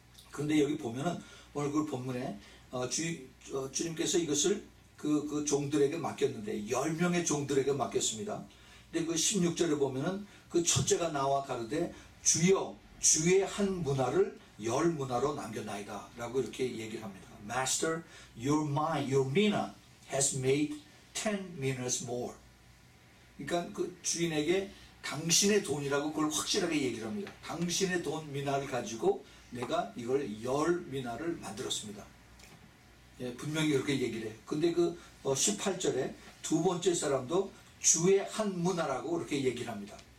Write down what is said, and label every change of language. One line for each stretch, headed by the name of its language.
Korean: 그런데 여기 보면은 오늘 그 본문에 주님께서 이것을 그 종들에게 맡겼는데 10명의 종들에게 맡겼습니다. 근데 그 16절을 보면은 그 첫째가 나와 가르되 주여 주의 한 문화를 열 문화로 남겨나이다 라고 이렇게 얘기를 합니다.
English: Master, your mina has made 10 minas more.
Korean: 그러니까 그 주인에게 당신의 돈이라고 그걸 확실하게 얘기를 합니다. 당신의 돈 미나를 가지고 내가 이걸 열 미나를 만들었습니다. 예, 분명히 그렇게 얘기를 해. 근데 그 18절에 두 번째 사람도 주의 한 문화라고 그렇게 얘기를 합니다.